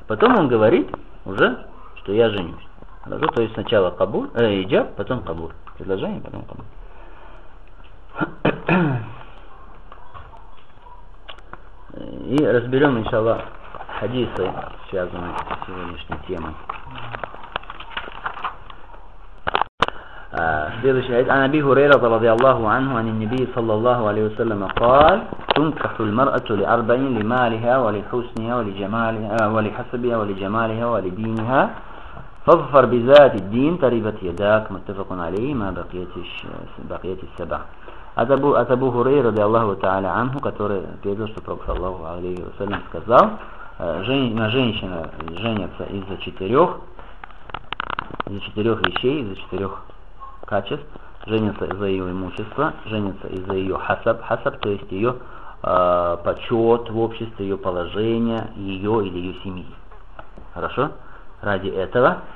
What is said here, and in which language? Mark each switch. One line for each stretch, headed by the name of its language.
Russian: Потом он говорит уже, что я женюсь. Хорошо, то есть сначала кабур, иджаб, потом кабур. Предложение, потом кабур. И разберем, иншаллах, хадисы, связанные с сегодняшней темой. Следующий аят.
Arabic: عن أبي هريرة رضي الله عنه عن النبي صلى الله عليه وسلم قال: تنكح المرأة لأربعين لمالها ولحسنها ولجمالها ولحسبها ولجمالها ولدينها فاظفر بذات الدين تربت يداك. متفق عليه. ما بقيت السبع.
Russian: От Абу Хурейры
Arabic: رضي الله تعالى عنه,
Russian: который передал, что пророк саллаллаху алейхи ва саллям сказал: на женщина женится из-за четырех вещей, из-за четырех качеств: женится из-за ее имущества, женится из-за ее хасаб, то есть ее почет в обществе, ее положение, ее или ее семьи. Хорошо? Ради этого.